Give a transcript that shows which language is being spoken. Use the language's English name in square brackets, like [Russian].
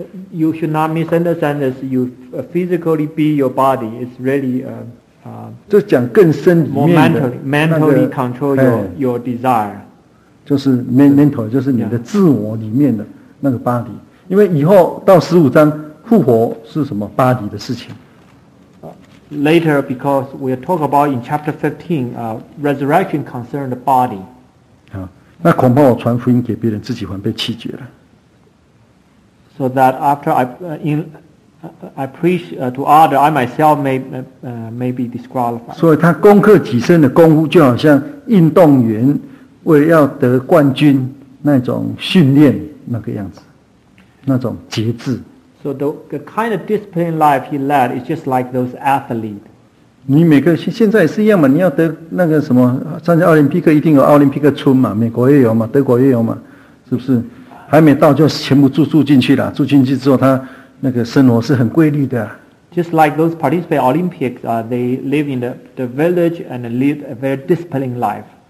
[English] You should not misunderstand this. You physically beat your body. It's really [Chinese] 就讲更深里面的 [English] mentally control your desire， [Chinese] 就是 mental 就是你的自我里面的那个 body。因为以后到十五章复活是什么 body 的事情。 [English] Later because we'll talk about in chapter 15 resurrection concern the body。 [Chinese] 那恐怕我传福音给别人，自己反被弃绝了。 [English] So that after I preach to other, I myself may be disqualified. [Chinese] 所以他攻克己身的功夫，就好像运动员为了要得冠军那种训练那个样子，那种节制。 [English] So the kind of disciplined life he led is just like those athletes. [Chinese] 你每个现在也是一样嘛，你要得那个什么参加奥林匹克，一定有奥林匹克村嘛，美国也有嘛，德国也有嘛，是不是？还没到就全部住进去了，住进去之后，他那个生活是很规律的、啊。 [English] Just like those participate Olympics, they live in the village and lead a very disciplined life.